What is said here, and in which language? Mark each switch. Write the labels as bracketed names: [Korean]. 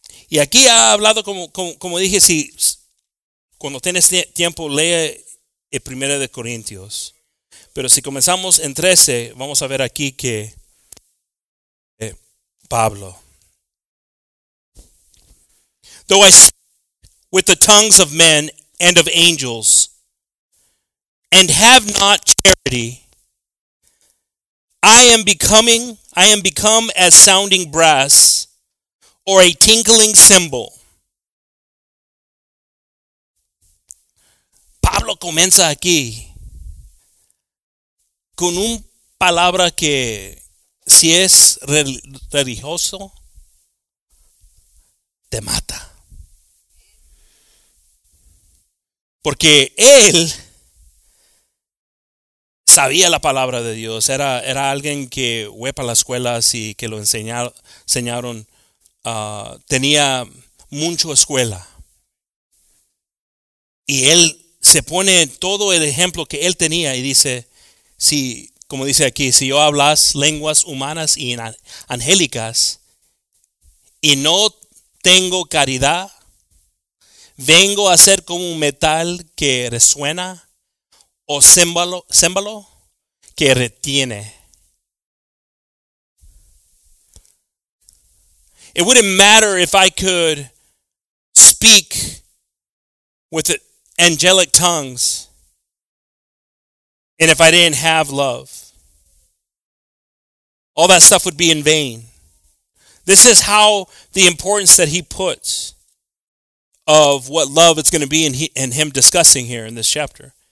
[Spanish] Y aquí ha hablado, como dije, si cuando tienes tiempo, lee el 1 de Corintios. Pero si comenzamos en 13, vamos a ver aquí que Pablo. [English] Though I speak with the tongues of men and of angels, and have not charity, I am become as sounding brass or a tinkling cymbal. [Spanish] Pablo comienza aquí con un palabra que, si es religioso, te mata. Porque él sabía la palabra de Dios. Era alguien que fue para las escuelas y que lo enseñaron. Tenía mucho escuela. Y él se pone todo el ejemplo que él tenía y dice, si, como dice aquí, si yo hablas lenguas humanas y angélicas y no tengo caridad, vengo a ser como un metal que resuena o címbalo que retiene. [English] It wouldn't matter if I could speak with angelic tongues and if I didn't have love. All that stuff would be in vain. This is how the importance that he puts of what love is going to be in him discussing here in this chapter.